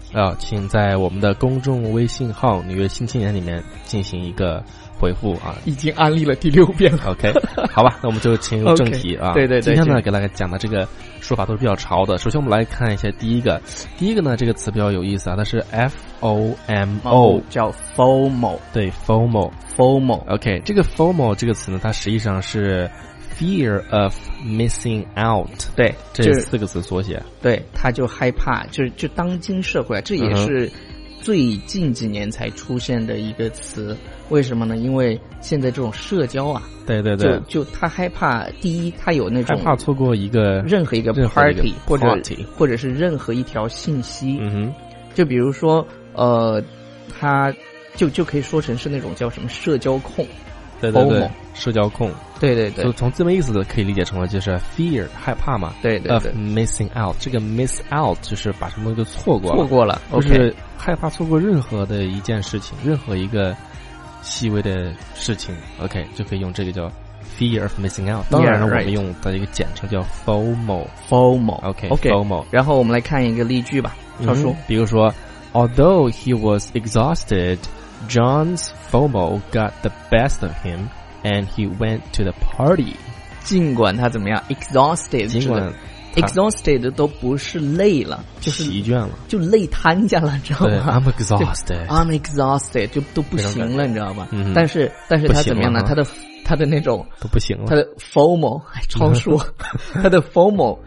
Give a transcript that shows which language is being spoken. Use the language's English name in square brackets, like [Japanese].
[Chinese] 啊，请在我们的公众微信号纽约新青年里面进行一个回复啊，已经安利了第六遍了。 OK， 好吧，那我们就进入正题啊。 okay, 对对对，今天呢给大家讲的这个说法都是比较潮的。首先我们来看一下第一个呢，这个词比较有意思啊，它是 FOMO，叫 FOMO，对 FOMO， FOMO。 OK， 这个 FOMO 这个词呢，它实际上是 Fear of missing out，对，这四个字缩写，对，他就害怕，就当今社会，这也是最近几年才出现的一个词，为什么呢？因为现在这种社交啊，对对对，就他害怕，第一，他有那种害怕错过一个任何一个 [English] party [Chinese] 或者是任何一条信息，嗯哼，就比如说他就可以说成是那种叫什么社交控。对对对，社交控，对对对，就从字面意思的可以理解成了就是 fear 害怕嘛，对对对， of missing out，这个 miss out 就是把什么给错过了，就是害怕错过任何的一件事情，任何一个细微的事情 ，OK 就可以用这个叫 fear of missing out。当然了，我们用的一个简称叫 FOMO，OK，FOMO。然后我们来看一个例句吧，超叔， [English] 比如说 ，although he was exhausted。 John's FOMO got the best of him, and he went to the party. [Chinese] 尽管他怎么样 exhausted，尽管 exhausted 都不是累了，就是疲倦了，就累瘫下了，知道吗 [English] ？I'm exhausted. [Chinese] I'm exhausted，就都不行了，你知道吗？嗯、但是他怎么样呢？他的那种都不行了，他的 FOMO 还超出，他的 FOMO